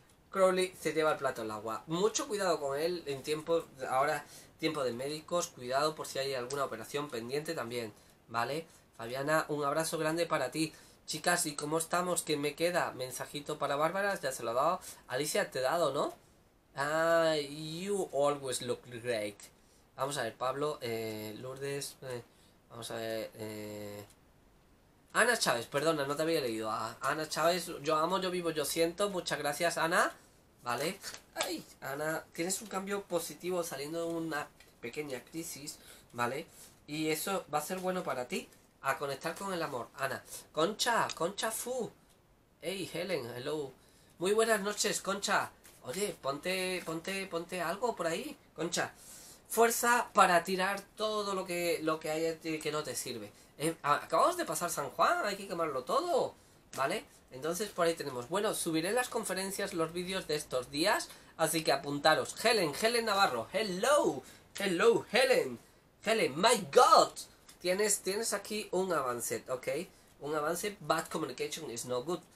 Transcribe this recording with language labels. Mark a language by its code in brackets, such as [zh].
[es] Crowley se lleva el plato al agua. Mucho cuidado con él en tiempo, ahora tiempo de médicos. Cuidado por si hay alguna operación pendiente también. ¿Vale? Fabiana, un abrazo grande para ti. Chicas, ¿y cómo estamos? ¿Qué me queda? Mensajito para Bárbara, ya se lo he dado. Alicia, te he dado, ¿no? [en] Ah, you always look great. [es] Vamos a ver, Pablo, Lourdes, vamos a ver, Ana Chávez, perdona, no te había leído. Ah, Ana Chávez, yo amo, yo vivo, yo siento. Muchas gracias, Ana. Vale. Ay, Ana, tienes un cambio positivo saliendo de una pequeña crisis, ¿vale? Y eso va a ser bueno para ti, a conectar con el amor. Ana, Concha, Concha Fu. [en] Hey, Helen, hello. [es] Muy buenas noches, Concha. Oye, ponte algo por ahí, Concha. Fuerza para tirar todo lo que haya que no te sirve. Acabamos de pasar San Juan, hay que quemarlo todo, ¿vale? Entonces por ahí tenemos. Bueno, subiré las conferencias, los vídeos de estos días, así que apuntaros. [en] Helen Navarro, hello, hello, Helen, Helen, my God. [es] Tienes aquí un avance, ¿ok? Un avance, [en] bad communication is no good.